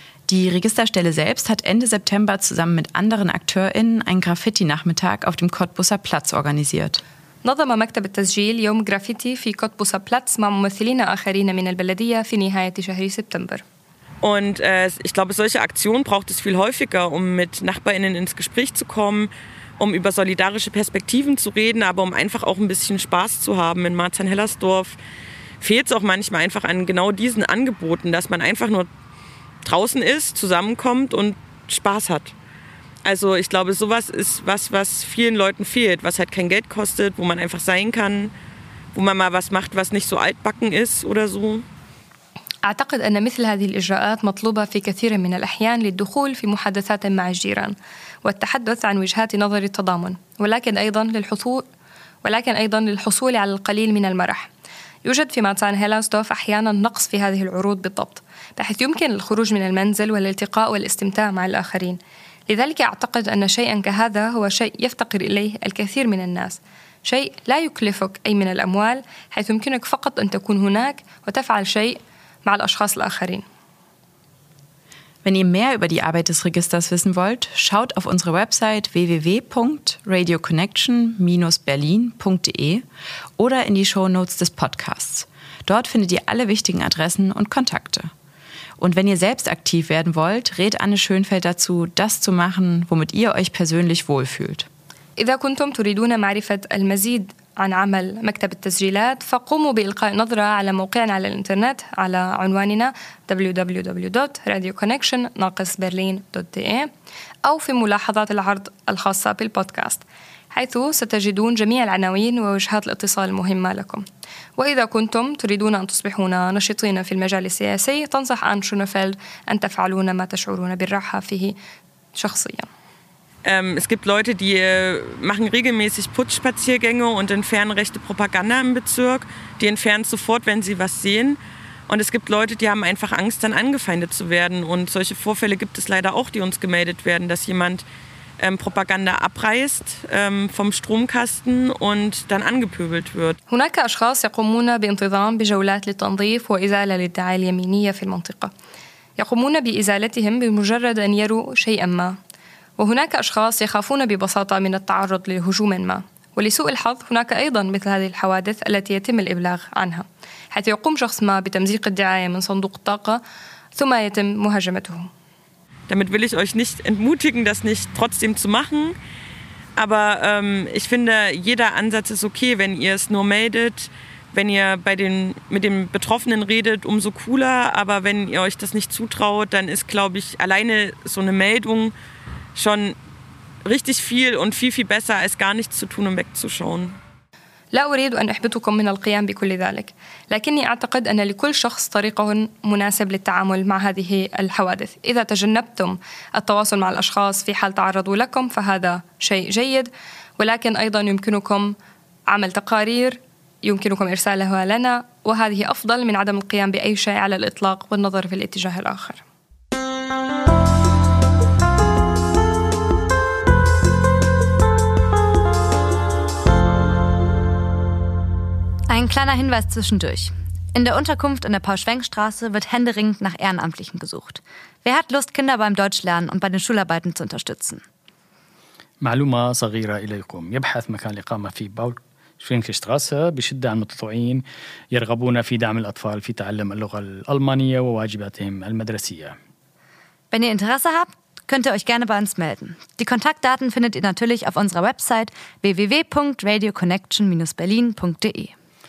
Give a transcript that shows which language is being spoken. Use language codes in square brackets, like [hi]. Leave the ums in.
[de] Die Registerstelle selbst hat Ende September zusammen mit anderen AkteurInnen einen Graffiti-Nachmittag auf dem Cottbusser Platz organisiert. [ar] نظم مكتب التسجيل يوم جرافيتي في كوتبوسا بلاتس مع ممثلين آخرين من البلدية في نهاية شهر سبتمبر [de] Und äh, ich glaube, solche Aktionen braucht es viel häufiger, um mit Nachbarinnen ins Gespräch zu kommen, um über solidarische Perspektiven zu reden, aber um einfach auch ein bisschen Spaß zu haben. In Marzahn-Hellersdorf fehlt es auch manchmal einfach an genau diesen Angeboten, dass man einfach nur draußen ist, zusammenkommt und Spaß hat. Also ich glaube, sowas ist was, was vielen Leuten fehlt, was halt kein Geld kostet, wo man einfach sein kann, wo man mal was macht, was nicht so altbacken ist oder so. [ar] أعتقد أن مثل هذه الإجراءات مطلوبة في كثير من الأحيان للدخول في محادثات مع الجيران والتحدث عن وجهات نظر التضامن ولكن أيضا للحصول ولكن أيضا للحصول على القليل من المرح يوجد في ماتان هيلانسدوف أحيانا نقص في هذه العروض بالضبط بحيث يمكن الخروج من المنزل والالتقاء والاستمتاع مع الآخرين لذلك أعتقد أن شيئا كهذا هو شيء يفتقر إليه الكثير من الناس شيء لا يكلفك أي من الأموال حيث يمكنك فقط أن تكون هناك وتفعل شيء مع الأشخاص الآخرين [de] Wenn ihr mehr über die Arbeit des Registers wissen wollt, schaut auf unsere Website www.radioconnection-berlin.de oder in die Shownotes des Podcasts. Dort findet ihr alle wichtigen Adressen und Kontakte. Und wenn ihr selbst aktiv werden wollt, rät Anne Schönfeld dazu, das zu machen, womit ihr euch persönlich wohlfühlt. [ar] إذا كنتم تريدون معرفة المزيد عن عمل مكتب التسجيلات فقوموا بإلقاء نظرة على موقعنا على الإنترنت على عنواننا www.radioconnection-berlin.de أو في ملاحظات العرض الخاصة بالبودكاست حيث ستجدون جميع العناوين ووجهات الاتصال المهمة لكم وإذا كنتم تريدون أن تصبحون نشطين في المجال السياسي تنصح أن شونفيلد أن تفعلون ما تشعرون بالراحة فيه شخصياً [de] Ähm, es gibt Leute, die äh, machen regelmäßig Putzspaziergänge und entfernen rechte Propaganda im Bezirk. Die entfernen es sofort, wenn sie was sehen. Und es gibt Leute, die haben einfach Angst, dann angefeindet zu werden. Und solche Vorfälle gibt es leider auch, die uns gemeldet werden, dass jemand ähm, Propaganda abreißt ähm, vom Stromkasten und dann angepöbelt wird. [ar] هناك أشخاص يقومون بانتظام بجولات للتنظيف وإزالة للدعاية اليمينية في المنطقة يقومون بإزالتهم بمجرد أن يروا شيئا ما وهناك أشخاص يخافون ببساطة من التعرض لهجوم ما ولسوء الحظ هناك أيضا مثل هذه الحوادث التي يتم الإبلاغ عنها حيث يقوم شخص ما بتمزيق الدعاية من صندوق الطاقة ثم يتم مهاجمته [de] Damit will ich euch nicht entmutigen, das nicht trotzdem zu machen. Aber ähm, ich finde, jeder Ansatz ist okay, wenn ihr es nur meldet, wenn ihr bei den, mit den Betroffenen redet, umso cooler. Aber wenn ihr euch das nicht zutraut, dann ist, glaube ich, alleine so eine Meldung schon richtig viel und viel, viel besser, als gar nichts zu tun und wegzuschauen. [ar] لا أريد أن أحبطكم من القيام بكل ذلك، لكني أعتقد أن لكل شخص طريقه مناسب للتعامل مع هذه الحوادث، إذا تجنبتم التواصل مع الأشخاص في حال تعرضوا لكم فهذا شيء جيد، ولكن أيضا يمكنكم عمل تقارير يمكنكم إرسالها لنا، وهذه أفضل من عدم القيام بأي شيء على الإطلاق والنظر في الاتجاه الآخر. [de] Ein kleiner Hinweis zwischendurch. In der Unterkunft in der Paul-Schwenk-Straße wird händeringend nach Ehrenamtlichen gesucht. Wer hat Lust, Kinder beim Deutschlernen und bei den Schularbeiten zu unterstützen? [ar] معلومة صغيرة إليكم يبحث مكان الإقامة في باول شتراسة بشدة عن متطوعين يرغبون في دعم الأطفال في تعلم اللغة الألمانية وواجباتهم المدرسية [de] Wenn ihr Interesse habt, könnt ihr euch gerne bei uns melden. Die Kontaktdaten findet ihr natürlich auf unserer Website www.radioconnection-berlin.de.